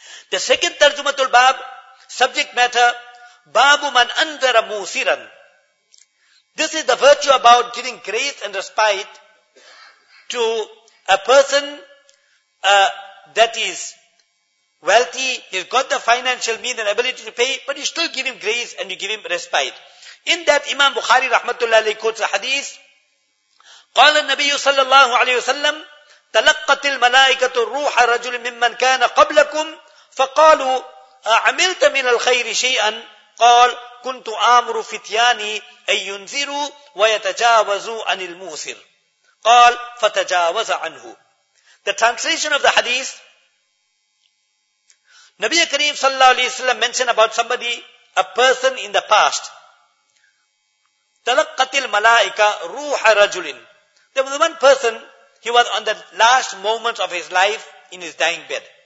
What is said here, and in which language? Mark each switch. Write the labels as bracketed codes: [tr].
[en] The second tarjumatul bab, subject matter, [ar] babu man andara musiran. [en] This is the virtue about giving grace and respite to a person that is wealthy, he's got the financial means and ability to pay, but you still give him grace and you give him respite. [ar] In that, Imam Bukhari rahmatullahi alayhi quotes a hadith, قال النبي صلى الله عليه وسلم تلقت الملائكة الروح رجل ممن كان قبلكم فقالوا أعملت من الخير شيئا قال كنت آمر فتياني أن ينذروا ويتجاوزوا عن الموسر قال فتجاوز عنه. [en] The translation of the hadith, Nabi Kareem sallallahu alayhi wa sallam mentioned about somebody, a person in the past. [ar] Talaqqatil malaika ruha rajulin. [en] There was one person, he was on the last moment of his life in his dying bed.